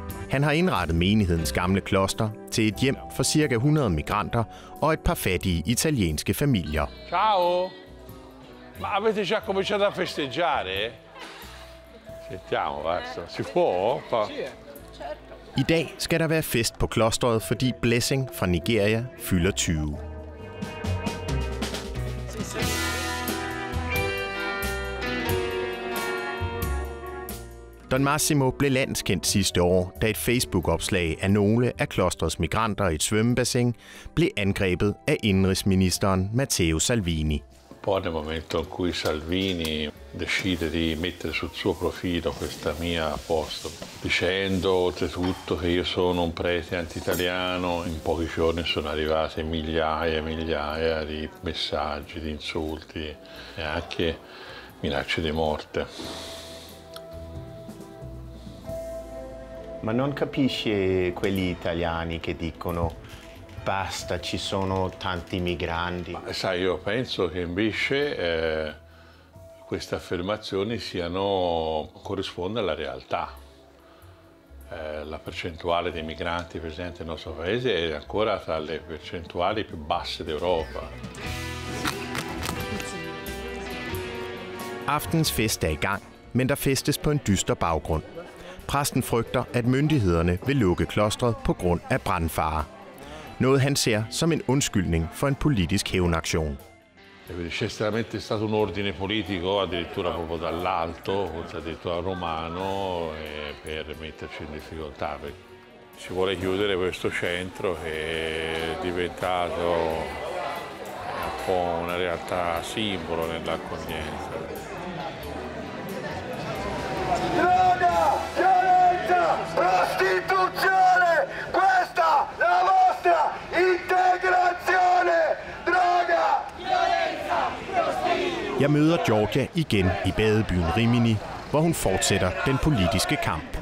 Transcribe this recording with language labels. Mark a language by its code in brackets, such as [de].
[da] Han har indrettet menighedens gamle kloster til et hjem for cirka 100 migranter og et par fattige italienske familier. [it] Ciao. Ma avete già cominciato a festeggiare? Sentiamo, basta. Si può? [da] I dag skal der være fest på klosteret, fordi Blessing fra Nigeria fylder 20. Don Massimo blev landskendt sidste år, da et Facebook-opslag af nogle af klostrets migranter i et svømmebassin blev angrebet af indenrigsministeren Matteo Salvini. På det moment, [it] in cui Salvini decide di mettere sul suo profilo questa mia post, dicendo oltretutto che io sono un prete anti-italiano, in pochi giorni sono arrivate migliaia e migliaia di messaggi, di insulti e anche minacce di morte. Ma non capisce quegli italiani che dicono basta, ci sono tanti migranti. Ma, sai, io penso che invece queste affermazioni siano corrispondono alla realtà. La percentuale dei migranti presente nel nostro paese è ancora tra le percentuali più basse d'Europa. [da] Aftens fest er i gang, men der festes på en dyster baggrund. Præsten frygter, at myndighederne vil lukke klostret på grund af brandfare. Noget han ser som en undskyldning for en politisk hævnaktion. [it] C'è stato un ordine politico, addirittura proprio dall'alto, addirittura romano, per metterci in difficoltà. Si vuole chiudere questo centro che è diventato un po' una realtà simbolo nell'accoglienza. Droga! Prostituzione! Questa è la vostra integrazione! Droga! Violenza! Prostituzione! [da] Jeg møder Giorgia igen i badebyen Rimini, hvor hun fortsætter den politiske kamp.